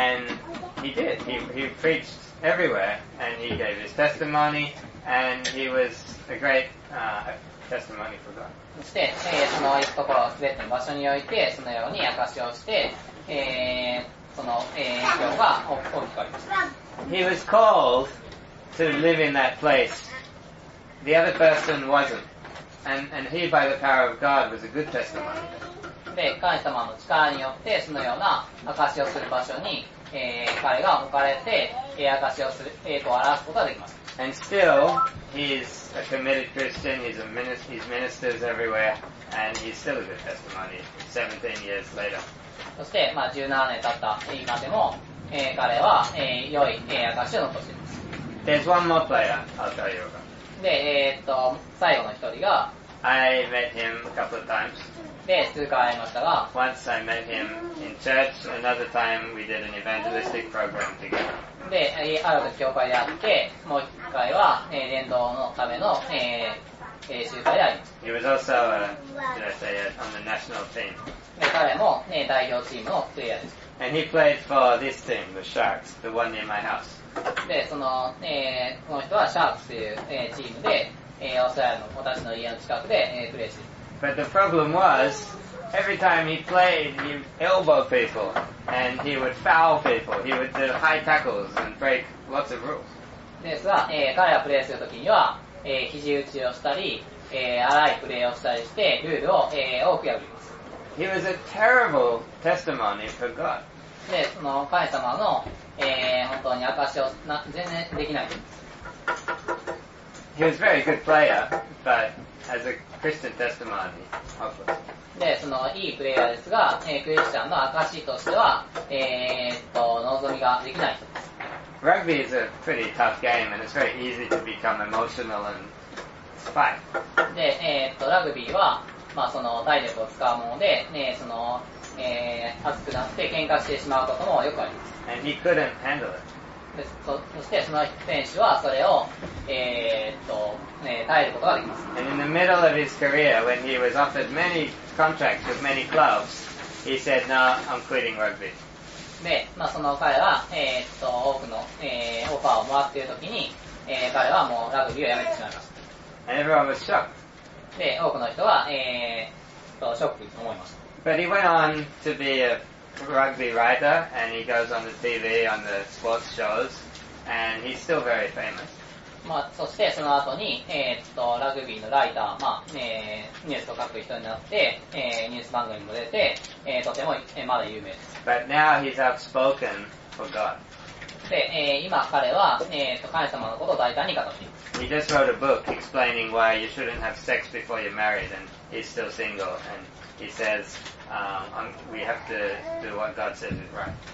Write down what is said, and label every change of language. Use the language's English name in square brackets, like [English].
[English] And he did. He preached everywhere and he gave his testimony and he was a great, testimony for God. [Japanese] そして、その行くところ、すべての場所において、そのように証をして、その、影響が大きくありました。 [English] He was called to live in that place. The other person wasn't. And he, by the power of God, was a good testimony. [Japanese] で、神様の力によって、そのような証をする場所に、彼が置かれて、証をする、栄光を表すことができます。 [English] And still, he's a committed Christian, he's ministers everywhere, and he's still a good testimony, 17 years later. [Japanese] そして、まあ、17年経った今でも、彼は、良い、証を残しています。 [English] There's one more player, I'll tell you about. [Japanese] で、最後の一人が、 [English] I met him a couple of times. [Japanese] で、数回会いましたが、 [English] Once I met him in church, another time we did an evangelistic program together. [Japanese] で、ある時教会で会って、もう一回は、伝道のための、集会で会いました。 [English] He was also a, did I say it, on the national team. [Japanese] で、彼も、代表チームのプレイヤーでした。 [English] And he played for this team, the Sharks, the one near my house. [Japanese] で、その、この人は Sharks という、チームで、オーストラリアの私の家の近くで、プレイしています。 [English] But the problem was, every time he played, he elbowed people, and he would foul people, he would do high tackles and break lots of rules. [Japanese] ですが、彼がプレーするときには、肘打ちをしたり、荒いプレイをしたりしてルールを、多く破ります。 [English] He was a terrible testimony for God. [Japanese] でその神様の、本当に証しを全然できないんです。 [English] He was a very good player, but as a Christian testimony, hopeless. [Japanese] で、そのいいプレイヤーですが、クリスチャンの証としては、望みができない。 [English] Rugby is a pretty tough game, and it's very easy to become emotional and spike. [Japanese] で、ラグビーは、まあ、その体力を使うもので、ね、その、熱くなって喧嘩してしまうこともよくあります。 [English] And he couldn't handle it. [Japanese] で そしてその選手はそれを、耐えることができます。 [English] And in the middle of his career, when he was offered many contracts with many clubs, he said, "No, I'm quitting rugby." [Japanese] で、まあ、その彼は、多くの、オファーをもらっているときに、彼はもうラグビーをやめてしまいました。 [English] And everyone was shocked. [Japanese] で、多くの人は、ショックと思いました。 [English] But he went on to be aRugby writer, and he goes on the TV on the sports shows, and he's still very famous. [Japanese] まあ、そしてその後に、ラグビーのライター、まあ、ニュースを書く人になって、ニュース番組にも出て、とても、まだ有名です。 [English] But now he's outspoken for God. [Japanese] で、今彼は、神様のことを大胆に語っています [English] He just wrote a book explaining why you shouldn't have sex before you're married, and he's still single, and he says,we have to do what God says is right.